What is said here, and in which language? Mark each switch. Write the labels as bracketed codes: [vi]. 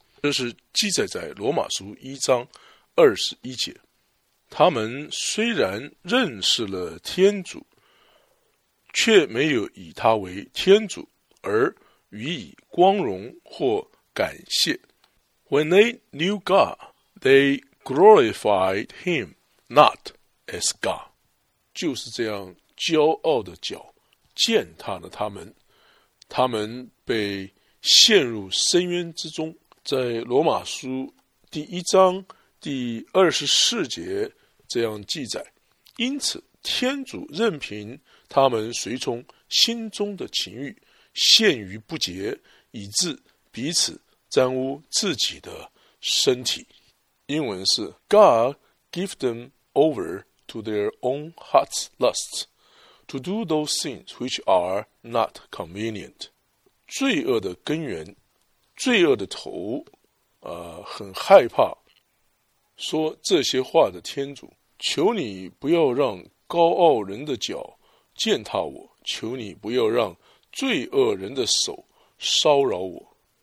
[zh] 这是记载在罗马书1章21节。他们虽然认识了天主，却没有以他为天主而予以光荣或感谢。 [en] When they knew God, they glorified him not as God. [zh] 就是这样，骄傲的脚践踏了他们，他们被陷入深渊之中。在罗马书第1章第24节这样记载，因此天主任凭他们随从心中的情欲，陷于不洁，以致彼此沾污自己的身体。英文是 [en] God give them over to their own heart's lusts to do those things which are not convenient. [zh] 罪恶的根源，罪恶的头，很害怕说这些话的天主，求你不要让高傲人的脚践踏我，求你不要让罪恶人的手骚扰我。